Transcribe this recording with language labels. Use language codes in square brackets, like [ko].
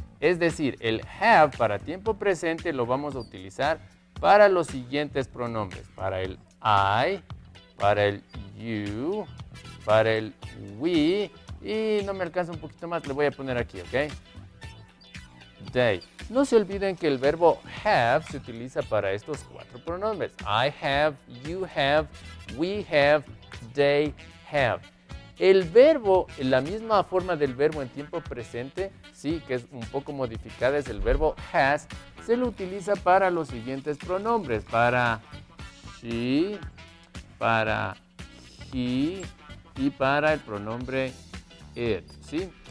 [es] Es decir, el have, para tiempo presente, lo vamos a utilizar para los siguientes pronombres, para el I, para el you, para el we, y no me alcanza un poquito más, le voy a poner aquí, ¿ok? They. No se olviden que el verbo have se utiliza para estos cuatro pronombres. [en] I have, you have, we have, they have. [es] El verbo, la misma forma del verbo en tiempo presente, sí, que es un poco modificada, es el verbo has, se lo utiliza para los siguientes pronombres, para she, para he y para el pronombre it, ¿sí?